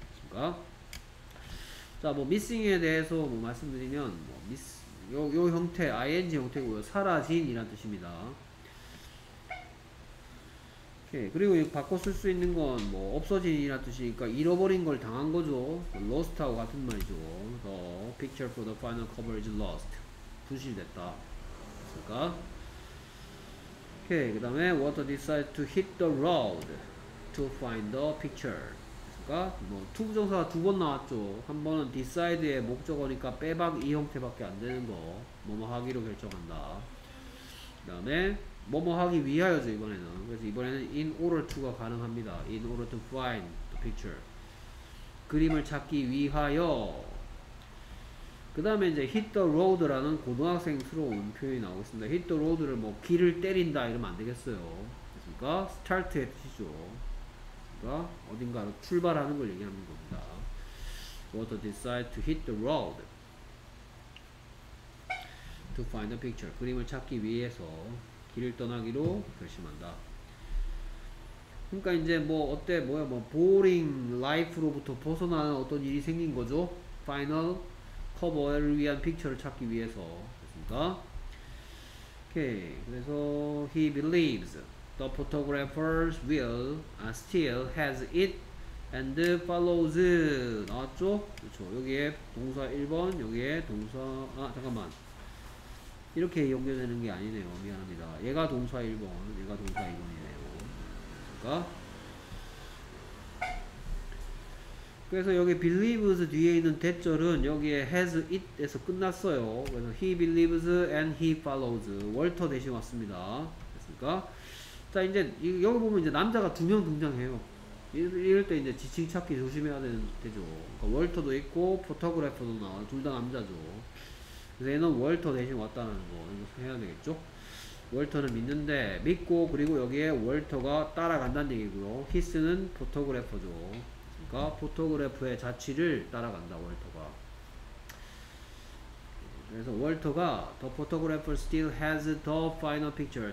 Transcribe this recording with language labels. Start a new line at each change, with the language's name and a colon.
Korean: 그러니까 자, 뭐 missing에 대해서 뭐 말씀드리면 뭐 miss 요 형태 ing 형태고요. 사라진이란 뜻입니다. 오케이. 그리고 이거 바꿔 쓸 수 있는 건 뭐 없어진이라는 뜻이니까 잃어버린 걸 당한 거죠. lost하고 같은 말이죠.
English: The picture for the final cover is lost.
Korean: 분실됐다. 그러니까 오케이. 그 다음에
English: water decided to hit the road to find the picture.
Korean: 그러니까 뭐 to 부정사가 두 번 나왔죠. 한 번은 decide의 목적어니까 빼박 이 형태밖에 안 되는 거. 뭐뭐 하기로 결정한다. 그 다음에 뭐뭐 하기 위하여죠. 이번에는 그래서 이번에는
English: in order to가 가능합니다. in order to find the picture.
Korean: 그림을 찾기 위하여. 그 다음에 이제 hit the road라는 고등학생스러운 표현이 나오고 있습니다. hit the road를 뭐 길을 때린다 이러면 안 되겠어요. 그러니까 start의 뜻이죠. 그러니까 어딘가로 출발하는 걸 얘기하는 겁니다.
English: water decide to hit the road to find the picture.
Korean: 그림을 찾기 위해서 길을 떠나기로 결심한다. 그러니까 이제 뭐 어때 뭐야 뭐 boring life로부터 벗어나는 어떤 일이 생긴 거죠. final cover를 위한 picture를 찾기 위해서 됐습니까? 오케이.
English: 그래서 he believes the photographers will still has it and follows 나왔죠?
Korean: 그렇죠. 여기에 동사 1번 여기에 동사 아 잠깐만 이렇게 연결되는 게 아니네요. 미안합니다. 얘가 동사 1번, 얘가 동사 2번이네요. 그러니까 그래서 여기 believes 뒤에 있는 대절은 여기에 has it에서 끝났어요. 그래서
English: he believes and he follows.
Korean: 월터 대신 왔습니다. 됐습니까? 자, 이제 여기 보면 이제 남자가 두 명 등장해요. 이럴 때 이제 지칭 찾기 조심해야 되죠. 그러니까 월터도 있고 포토그래퍼도 나와. 둘 다 남자죠. 그래서 얘는 월터 대신 왔다는 거 해야 되겠죠? 월터는 믿는데 믿고 그리고 여기에 월터가 따라간다는 얘기고요. 히스는 포토그래퍼죠. 그러니까 포토그래프의 자취를 따라간다 월터가.
English: 그래서 월터가 the photographer still has the final picture.